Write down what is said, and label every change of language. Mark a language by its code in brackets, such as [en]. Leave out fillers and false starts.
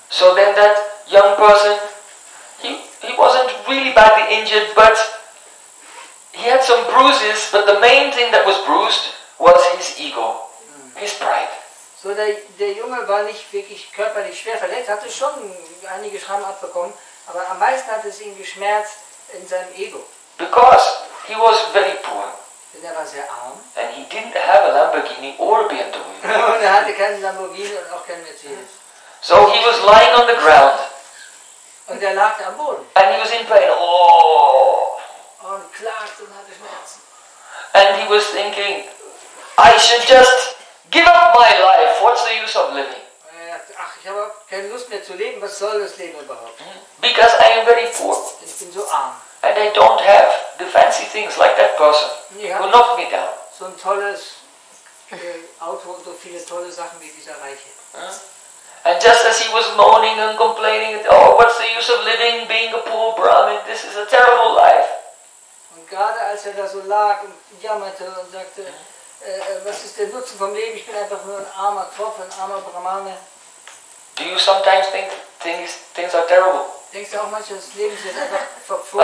[en] So then that young person, he wasn't really badly injured, but he had some bruises, but the main thing that was bruised was his ego, his pride. [de] So der Junge war nicht wirklich körperlich schwer verletzt, hatte schon einige Schrammen abbekommen, aber am meisten hat es ihn geschmerzt in seinem Ego. [en] Because he was very poor. [de] Denn er war sehr arm. [en] And he didn't have a Lamborghini or a BMW. [de] Und er hatte keinen Lamborghini und auch keinen Mercedes. [en] So he was lying on the ground. [de] Und er lag am Boden. [en] And he was in pain. Oh. [de] Und klagte und hatte Schmerzen. [en] And he was thinking, I should just give up my life. What's the use of living? [de] Ach, ich habe keine Lust mehr zu leben. Was soll das Leben überhaupt? [en] Because I am very poor. [de] Ich bin so arm. [en] And I don't have the fancy things like that person who knocked me down. [de] So ein tolles Auto und so viele tolle Sachen wie dieser Reiche. [en] And just as he was moaning and complaining, oh, what's the use of living, being a poor Brahmin, this is a terrible life. [de] Und gerade als er da so lag und jammerte und sagte, was ist der Nutzen vom Leben, ich bin einfach nur ein armer Tropf, ein armer Brahmane. [en] Do you sometimes think things are terrible? [de] Denkst du auch manchmal, das Leben ist einfach verflucht?